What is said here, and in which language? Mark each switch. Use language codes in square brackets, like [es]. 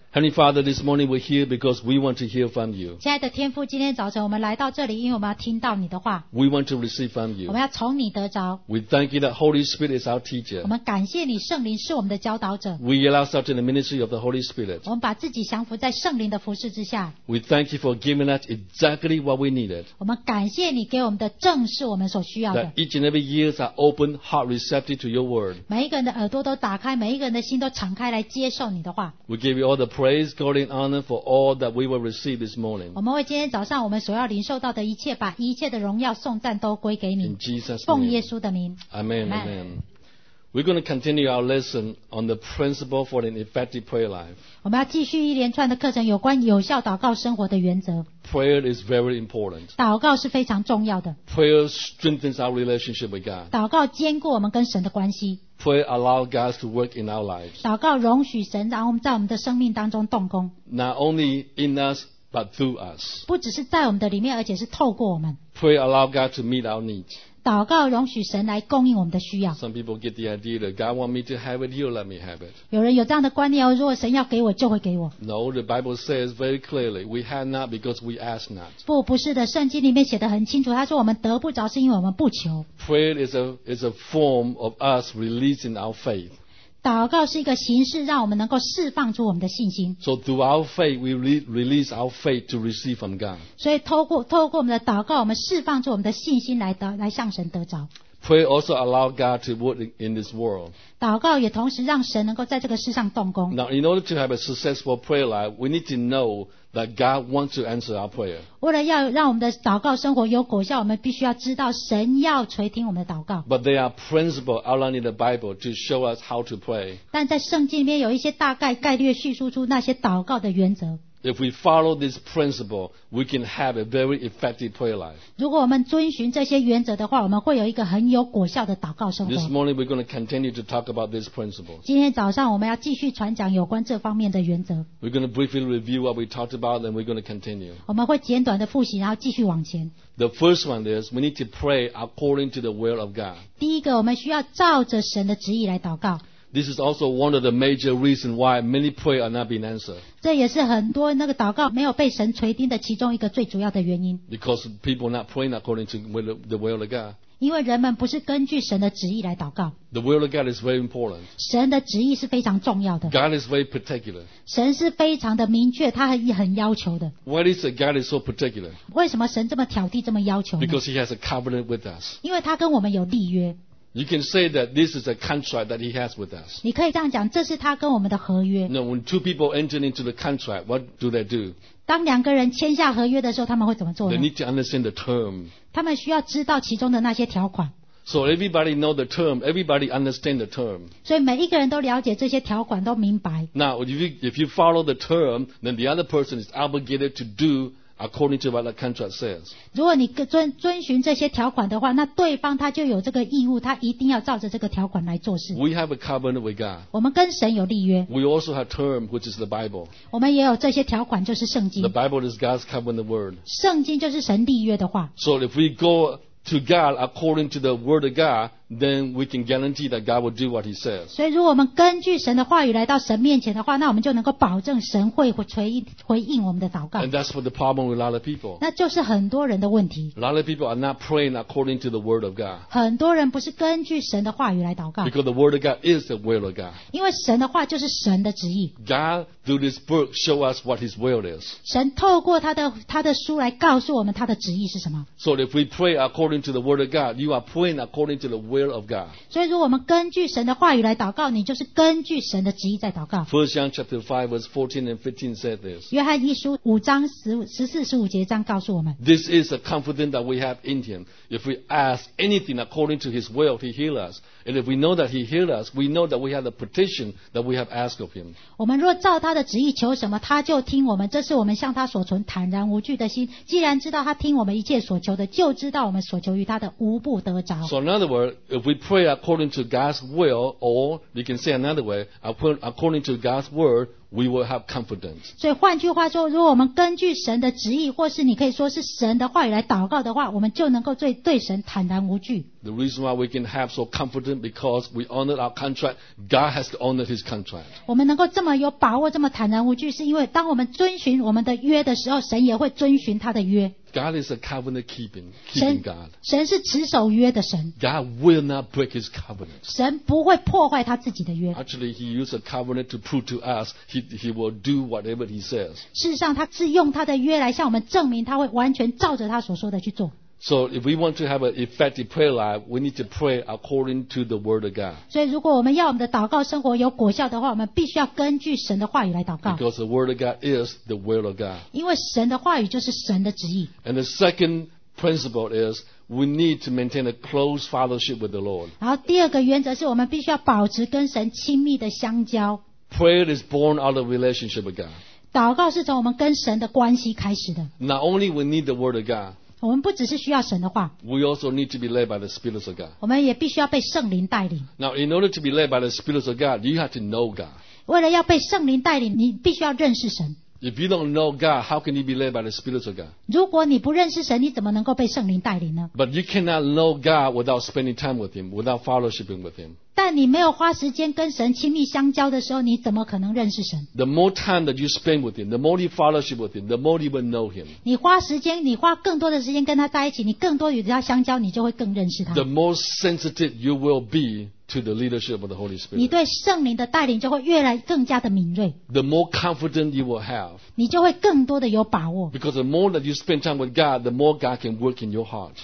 [en] Heavenly Father, this morning we're here because we want to hear from you. [zh] 亲爱的天父，今天早晨我们来到这里，因为我们要听到你的话。 [en] We want to receive from you. [zh] 我们要从你得着。 [en] We thank you that Holy Spirit is our teacher. [zh] 我们感谢你，圣灵是我们的教导者。 [en] We allow ourselves in the ministry of the Holy Spirit. [zh] 我们把自己降服在圣灵的服事之下。 [en] We thank you for giving us exactly what we needed. [zh] 我们感谢你给我们的正是我们所需要的。 [en] That each and every ears are open, heart receptive to your word. [zh] 每一个人的耳朵都打开，每一个人的心都敞开来接受你的话。 [en] We give you all the praise. Praise God and honor for all that we will receive this morning. [zh] 我们为今天早上我们所要领受到的一切，把一切的荣耀颂赞都归给你。 [en] In Jesus' name. [zh] 奉耶稣的名。 [en] Amen. Amen. Amen. We're going to continue our lesson on the principle for an effective prayer life. [zh] 我们要继续一连串的课程，有关有效祷告生活的原则。 [en] Prayer is very important. [zh] 祷告是非常重要的。 [en] Prayer strengthens our relationship with God. [zh] 祷告坚固我们跟神的关系。 [en] Prayer allows God to work in our lives. [zh] 祷告容许神让我们在我们的生命当中动工。 [en] Not only in us, but through us. [zh] 不只是在我们的里面，而且是透过我们。 [en] Prayer allows God to meet our needs. [zh] 祷告容许神来供应我们的需要。 [en] Some people get the idea that God wants me to have it, He'll let me have it. [zh] 有人有这样的观念，如果神要给我，就会给我。 [en] No, the Bible says very clearly, we have not because we ask not. [zh] 不，不是的，圣经里面写得很清楚，他说我们得不着是因为我们不求。 [en] Prayer is a form of us releasing our faith. [zh] 祷告是一个形式，让我们能够释放出我们的信心。 [en] So through our faith, we release our faith to receive from God. [zh] 所以透过我们的祷告，我们释放出我们的信心来向神得着。 [en] Prayer also allows God to work in this world. [zh] 祷告也同时让神能够在这个世上动工。 [en] Now, in order to have a successful prayer life, we need to know that God wants to answer our prayer. [zh] 为了要让我们的祷告生活有果效，我们必须要知道神要垂听我们的祷告。 [en] But there are principles outlined in the Bible to show us how to pray. [zh] 但在圣经里面有一些大概概略叙述出那些祷告的原则。 [en] If we follow this principle, we can have a very effective prayer life. [zh] 如果我们遵循这些原则的话，我们会有一个很有果效的祷告生活。 [en] This morning we're going to continue to talk about this principle. [zh] 今天早上我们要继续传讲有关这方面的原则。 [en] We're going to briefly review what we talked about, then we're going to continue. [zh] 我们会简短的复习，然后继续往前。 [en] The first one is we need to pray according to the will of God. [zh] 第一个，我们需要照着神的旨意来祷告。 [en] This is also one of the major reasons why many prayers are not being answered. [zh] 这也是很多那个祷告没有被神垂听的其中一个最主要的原因。 [en] Because people not praying according to the will of God. [zh] 因为人们不是根据神的旨意来祷告。 [en] The will of God is very important. [zh] 神的旨意是非常重要的。 [en] God is very particular. [zh] 神是非常的明确，他很要求的。 [en] Why is God is so particular? [zh] 为什么神这么挑剔，这么要求呢？ [en] Because He has a covenant with us. [zh] 因为他跟我们有立约。 [en] You can say that this is a contract that he has with us. [zh] 你可以这样讲，这是他跟我们的合约。 [en] No, when two people enter into the contract, what do they do? [zh] 当两个人签下合约的时候，他们会怎么做呢？ [en] They need to understand the term. [zh] 他们需要知道其中的那些条款。 [en] So everybody know the term, everybody understand the term. [zh] 所以每一个人都了解这些条款，都明白。 [en] Now, if you follow the term, then the other person is obligated to do. According to what the contract says. [zh] 如果你遵循这些条款的话，那对方他就有这个义务，他一定要照着这个条款来做事。 [en] We have a covenant with God. [zh] 我们跟神有立约。 [en] We also have term, which is the Bible. [zh] 我们也有这些条款，就是圣经。 [en] The Bible is God's covenant word. [zh] 圣经就是神立约的话。 [en] So if we go to God according to the word of God, then we can guarantee that God will do what He says. [zh] 所以如果我们根据神的话语来到神面前的话，那我们就能够保证神会回应我们的祷告。 [en] And that's what the problem with a lot of people. [zh] 那就是很多人的问题。 [en] A lot of people are not praying according to the word of God. [zh] 很多人不是根据神的话语来祷告。 [en] Because the word of God is the will of God. [zh] 因为神的话就是神的旨意。 [en] God through this book show us what His will is. [zh] 神透过他的书来告诉我们他的旨意是什么。 [en] So if we pray according to the word of God, you are praying according to the will of God. [zh] 所以如果我们根据神的话语来祷告，你就是根据神的旨意在祷告。 [en] First John chapter 5 verse 14 and 15 said this. [zh] 约翰一书五章14-15节这样告诉我们。 [en] This is the confidence that we have in Him. If we ask anything according to His will, He heals us. And if we know that He heals us, we know that we have the petition that we have asked of Him. [zh] 我们若照他的旨意求什么，他就听我们。这是我们向他所存坦然无惧的心。既然知道他听我们一切所求的，就知道我们所求于他的无不得着。 [en] So in other words, if we pray according to God's will, or you can say another way, according to God's word, we will have confidence. [zh] 所以换句话说，如果我们根据神的旨意，或是你可以说是神的话语来祷告的话，我们就能够对神坦然无惧。 [en] The reason why we can have so confident because we honored our contract. God has to honor His contract. [zh] 我们能够这么有把握，这么坦然无惧，是因为当我们遵循我们的约的时候，神也会遵循他的约。 [en] God is a covenant keeping God. [zh] 神是持守约的神。 [en] God will not break His covenant. [zh] 神不会破坏他自己的约。 [en] Actually, He used a covenant to prove to us He will do whatever He says. [zh] 事实上，他是用他的约来向我们证明，他会完全照着他所说的去做。 [en] So if we want to have an effective prayer life, we need to pray according to the Word of God. [zh] 所以如果我们要我们的祷告生活有果效的话，我们必须要根据神的话语来祷告。 [en] Because the Word of God is the will of God. [zh] 因为神的话语就是神的旨意。 [en] And the second principle is we need to maintain a close fellowship with the Lord. [zh] 然后第二个原则是我们必须要保持跟神亲密的相交。 [en] Prayer is born out of relationship with God. [zh] 祷告是从我们跟神的关系开始的。 [en] Not only we need the Word of God. [zh] 我们不只是需要神的话 [en] We also need to be led by the Spirit of God. [zh] 我们也必须要被圣灵带领 [en] Now in order to be led by the Spirit of God, you have to know God. [zh] 为了要被圣灵带领，你必须要认识神。 [en] If you don't know God, how can you be led by the Spirit of God? [zh] 如果你不认识神，你怎么能够被圣灵带领呢？ [en] But you cannot know God without spending time with Him, without fellowshipping with Him. [zh] 但你没有花时间跟神亲密相交的时候，你怎么可能认识神？ [en] The more time that you spend with Him, the more you fellowship with Him, the more you will know Him. [zh] 你花时间，你花更多的时间跟他在一起，你更多与他相交，你就会更认识他。 [en] The more sensitive you will be. To the leadership of the Holy Spirit. [zh] 你对圣灵的带领就会越来更加的敏锐。 [en] The more confident you will have. [zh] 你就会更多的有把握。 [en] Because the more that you spend time with God, the more God can work in your heart.